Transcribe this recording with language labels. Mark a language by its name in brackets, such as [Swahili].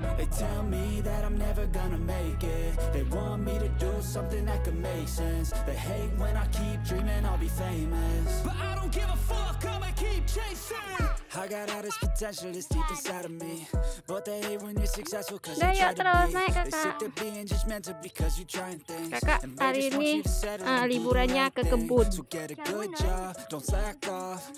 [English] Tell me that I'm never gonna make it. They want me to do something that can make sense. They hate when I keep dreaming I'll be famous. But I don't give a fuck, I'ma keep chasing. I got all this potential that's deep inside of me. But they hate when you're successful cause you try to be. They sit there being judgmental because you're trying things. [Indonesian] Kakak, and hari ini liburannya ke kebun. [English] So get a good job, don't slack off.